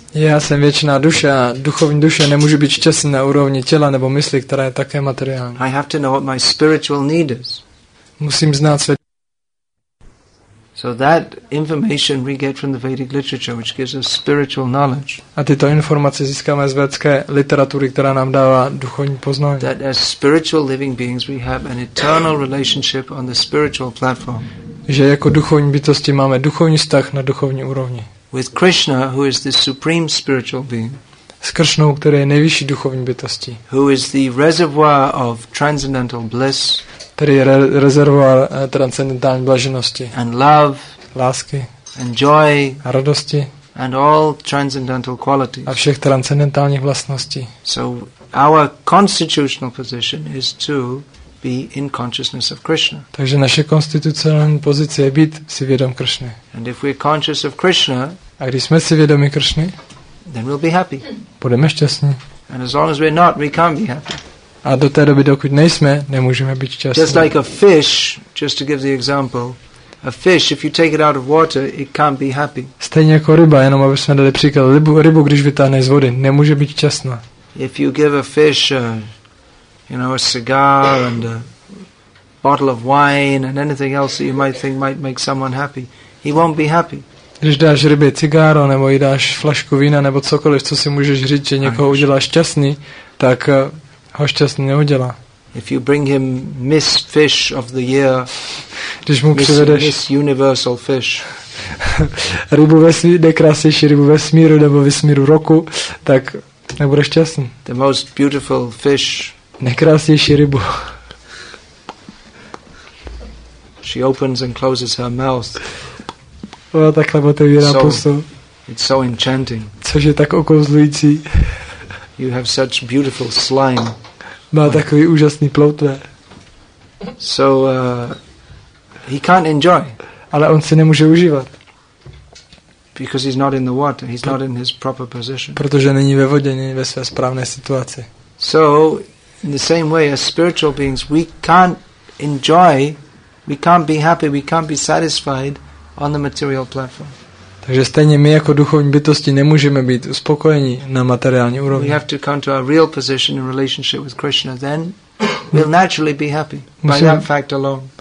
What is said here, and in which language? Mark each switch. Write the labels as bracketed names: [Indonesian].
[Czech] Já jsem věčná duše, duchovní duše nemůže být šťastná na úrovni těla nebo mysli, která je také materiální. [English] I have to know what my spiritual need is. [Czech] Musím znát své. [English] So that information we get from the Vedic literature, which gives us spiritual knowledge. [Czech] A tyto informace získáme z vedské literatury, která nám dává duchovní poznání. [English] That as spiritual living beings we have an eternal relationship on the spiritual platform. [Czech] Že jako duchovní bytosti máme duchovní vztah na duchovní úrovni. [English] With Krishna, who is the supreme spiritual being. [Czech] S Kršnou, který je nejvyšší duchovní bytosti. [English] Who is the reservoir of transcendental bliss. [Czech] Který je rezervoár transcendentální blaženosti. [English] And love. [Czech] Lásky. [English] And joy. [Czech] A radosti. [English] And all transcendental qualities. [Czech] A všech transcendentálních vlastností. [English] So our constitutional position is to be in consciousness of Krishna. [Czech] Takže naše konstitucionální pozice je být si vědom Krishny. [English] And if we're conscious of Krishna, [Czech] a když jsme si vědomi Krishny, [English] then we'll be happy. [Czech] Budeme šťastní. [English] And as long as we're not, we can't be happy. [Czech] A do té doby, dokud nejsme, nemůžeme být šťastní. [English] Just like a fish, just to give the example, a fish, if you take it out of water, it can't be happy. [Czech] Stejně jako ryba, jenom abychom dali příklad. Rybu, když vytáhne z vody, nemůže být šťastná. [English] If you give a fish a cigar and a bottle of wine and anything else that you might think might make someone happy, he won't be happy. [Czech] Když dáš rybě cigáro, nebo jí dáš flašku vína, nebo cokoliv, co si můžeš říct, že někoho udělá šťastný, tak ho šťastný neudělá. [English] If you bring him Miss Fish of the Year, [Czech] když mu přivedeš [English] Miss Universal Fish, [Czech] rybu vesmíru, nejkrásnější rybu vesmíru nebo vesmíru roku, tak nebude šťastný. [English] The most beautiful fish, [Czech] nejkrásnější rybu. [English] She opens and closes her mouth. [Czech] Ona takhle otevírá pusu. [English] It's so enchanting. [Czech] Což je tak okouzlující. [English] You have such beautiful slime. [Czech] Má takový úžasný ploutve. [English] So he can't enjoy. [Czech] Ale on si nemůže užívat. [English] Because he's not in the water, he's not in his proper position. [Czech] Protože není ve vodě, není ve své správné situaci. [English] So in the same way as spiritual beings, we can't enjoy, we can't be happy, we can't be satisfied on the material platform. [Czech] Takže stejně my jako duchovní bytosti nemůžeme být uspokojeni na materiální úrovni. [English] We have to come to our real position in relationship with Krishna, then we'll naturally be happy by that fact alone.